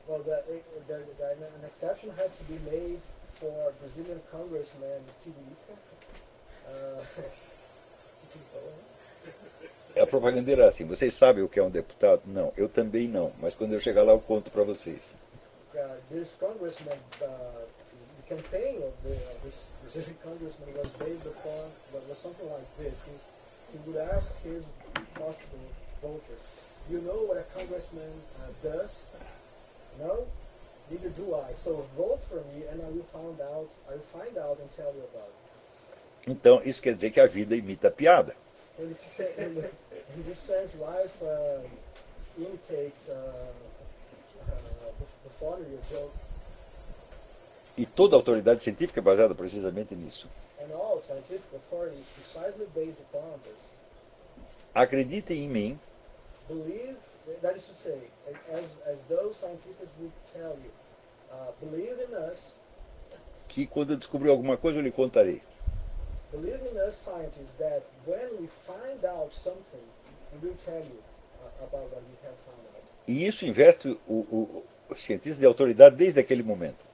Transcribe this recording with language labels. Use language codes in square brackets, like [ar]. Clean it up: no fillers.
[en] Well, an exception has to be made for Brazilian congressman Tiririca. [pt] A propaganda era assim: vocês sabem o que é um deputado? Não, eu também não, mas quando eu chegar lá eu conto para vocês. [en] This congressman, the campaign of this Brazilian congressman was based upon was something like this. He would ask his possible voters, you know what a congressman does? No? Neither do I. So vote for me and I will find out and tell you about it. [pt] Então, isso quer dizer que a vida imita a piada. [en] In this sense, life imitates the funny joke. [pt] E toda autoridade científica é baseada precisamente nisso. [en] And all scientific authority is precisely based upon this. [pt] Acreditem em mim. [en] Believe, that is to say, as those scientists would tell you, believe in us. [pt] Que quando eu descobrir alguma coisa, eu lhe contarei. [en] Believe in us scientists that when we find out something, we will tell you about what we have found out. [pt] E isso investe o cientista de autoridade desde aquele momento.